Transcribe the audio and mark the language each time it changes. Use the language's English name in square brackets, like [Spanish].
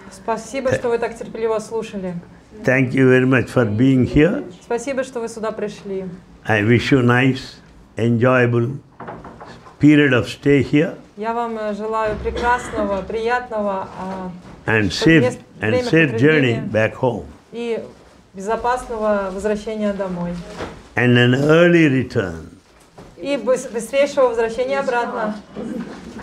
[Russian] Спасибо, что вы так терпеливо слушали. [English] Thank you very much for being here. [Russian] Спасибо, что вы сюда пришли. [English] I wish you nice, enjoyable period of stay here. [Russian] Я вам желаю прекрасного, приятного [English] and safe journey back home. [Russian] И безопасного возвращения домой. [English] And an early return. [Russian] И быстрейшего возвращения обратно.